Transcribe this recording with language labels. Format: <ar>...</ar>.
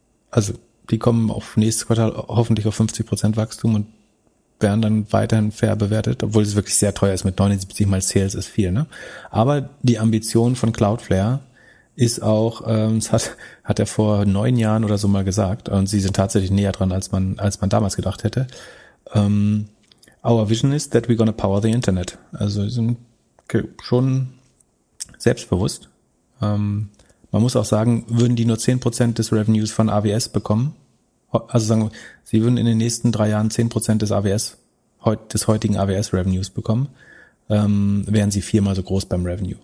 <de>Also die kommen auf nächstes Quartal hoffentlich auf 50% Wachstum und werden dann weiterhin fair bewertet, obwohl es wirklich sehr teuer ist mit 79 mal Sales ist viel. Ne? Aber die Ambition von Cloudflare ist auch, das hat er vor 9 Jahren oder so mal gesagt, und sie sind tatsächlich näher dran, als man damals gedacht hätte.</de> <en>Our vision is that we're gonna power the Internet.</en> <de>Also sie sind schon selbstbewusst. Man muss auch sagen, würden die nur 10% des Revenues von AWS bekommen, also sagen, sie würden in den nächsten 3 Jahren 10% des AWS, des heutigen AWS-Revenues bekommen, wären sie 4-mal so groß beim Revenue.</de>